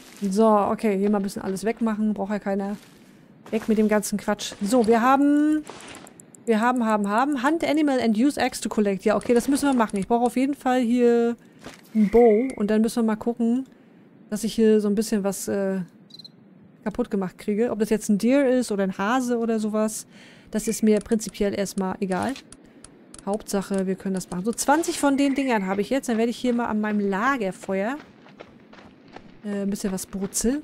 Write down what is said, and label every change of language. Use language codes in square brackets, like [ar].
[de] So, okay, hier mal ein bisschen alles wegmachen. Braucht ja keiner. Weg mit dem ganzen Quatsch. So, wir haben. [en] Hunt Animal and Use Axe to Collect. [de] Ja, okay, das müssen wir machen. Ich brauche auf jeden Fall hier ein Bow. Und dann müssen wir mal gucken, dass ich hier so ein bisschen was kaputt gemacht kriege. Ob das jetzt ein Deer ist oder ein Hase oder sowas. Das ist mir prinzipiell erstmal egal. Hauptsache, wir können das machen. So, 20 von den Dingern habe ich jetzt. Dann werde ich hier mal an meinem Lagerfeuer ein bisschen was brutzeln.